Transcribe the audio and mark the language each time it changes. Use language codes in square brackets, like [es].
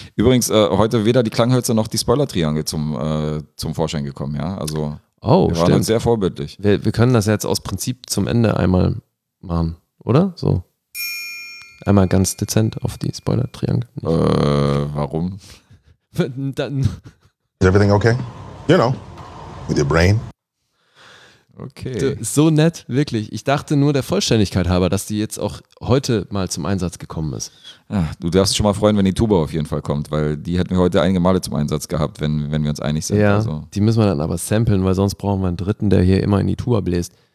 [de] Übrigens, heute weder die Klanghölzer noch die Spoiler-Triangel zum Vorschein gekommen. Ja, also wir waren sehr vorbildlich. Wir können das jetzt aus Prinzip zum Ende einmal machen, oder? So. Einmal ganz dezent auf die Spoiler-Triangel. Warum? Dann. [en] Is everything okay? You know, with your brain. [de] Okay. So nett, wirklich. Ich dachte nur der Vollständigkeit halber, dass die jetzt auch heute mal zum Einsatz gekommen ist. Ach, du darfst dich schon mal freuen, wenn die Tuba auf jeden Fall kommt, weil die hätten wir heute einige Male zum Einsatz gehabt, wenn wir uns einig sind. Ja, also. Die müssen wir dann aber samplen, weil sonst brauchen wir einen Dritten, der hier immer in die Tuba bläst.